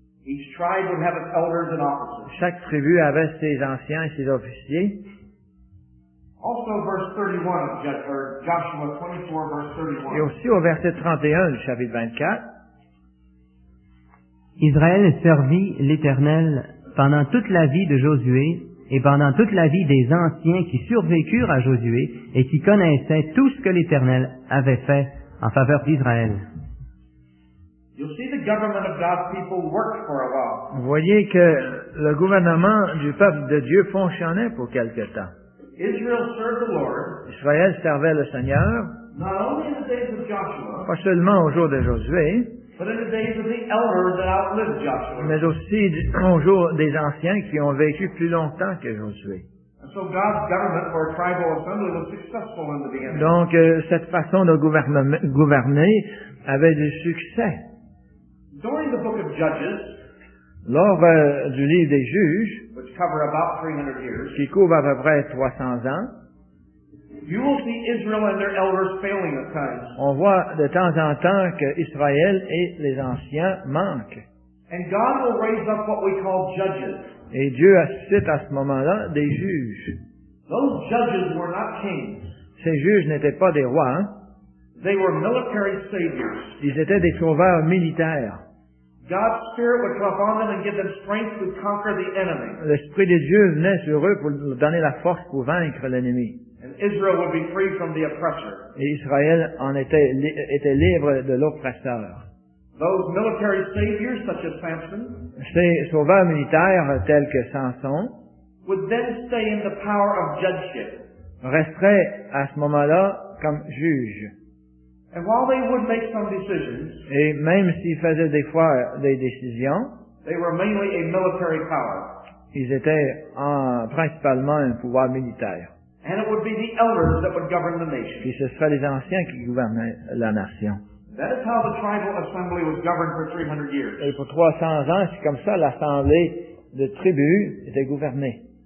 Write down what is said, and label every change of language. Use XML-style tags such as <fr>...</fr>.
<en>Each tribe would have its elders and officers.</en> <fr>Chaque tribu avait ses anciens et ses officiers.</fr> <en>Also verse 31 of Joshua 24, verse 31.</en> <fr>Et aussi au verset 31 du chapitre 24. Israël servit l'Éternel pendant toute la vie de Josué et pendant toute la vie des anciens qui survécurent à Josué et qui connaissaient tout ce que l'Éternel avait fait en faveur d'Israël.</fr> <en>You'll see the government of God's people worked for a while.</en> <fr>Vous voyez que le gouvernement du peuple de Dieu fonctionnait pour quelque temps.</fr> <en>Israel served the Lord.</en> <fr>Israël servait le Seigneur.</fr> <en>Not only in the days of Joshua.</en> <fr>Pas seulement au jour de Josué.</fr> <en>But in the days of the elders that outlived Joshua.</en> <fr>Mais aussi au jour des anciens qui ont vécu plus longtemps que Josué.</fr> <en>So God's government or tribal assembly was successful in the beginning.</en> <fr>Donc cette façon de gouverner avait du succès.</fr> <en>During the book of Judges,</en> <fr>lors du livre des juges,</fr> <en>which cover about 300 years,</en> <fr>qui couvre à peu près 300 ans,</fr> <en>you will see Israel and their elders failing at times.</en> <fr>On voit de temps en temps que Israël et les anciens manquent.</fr> <en>And God will raise up what we call judges.</en> <fr>Et Dieu suscite à ce moment-là des juges.</fr> <en>Those judges were not kings.</en> <fr>Ces juges n'étaient pas des rois.</fr> <en>They were military saviors.</en> <fr>Ils étaient des sauveurs militaires.</fr> <en>God's spirit would come upon them and give them strength to conquer the enemy.</en> <fr>L'esprit de Dieu venait sur eux pour leur donner la force pour vaincre l'ennemi.</fr> <en>And Israel would be free from the oppressor.</en> <fr>Et Israël en était libre de l'oppresseur.</fr> <en>Those military saviors, such as Samson,</en> <fr>ces sauveurs militaires tels que Samson,</fr> <en>would then stay in the power of judgeship.</en> <fr>Resteraient à ce moment-là comme juges.</fr> <en>And while they would make some decisions,</en> <fr>et même s'ils faisaient des fois des décisions,</fr> <en>they were mainly a military power.</en> <fr>Ils étaient principalement un pouvoir militaire.</fr> <en>And it would be the elders that would govern the nation.</en> <fr>Et ce seraient les anciens qui gouvernaient la nation.</fr> <en>That is how the tribal assembly was governed for 300 years.</en> <fr>Et pour 300 ans, c'est comme ça l'assemblée de tribus était gouvernée.</fr>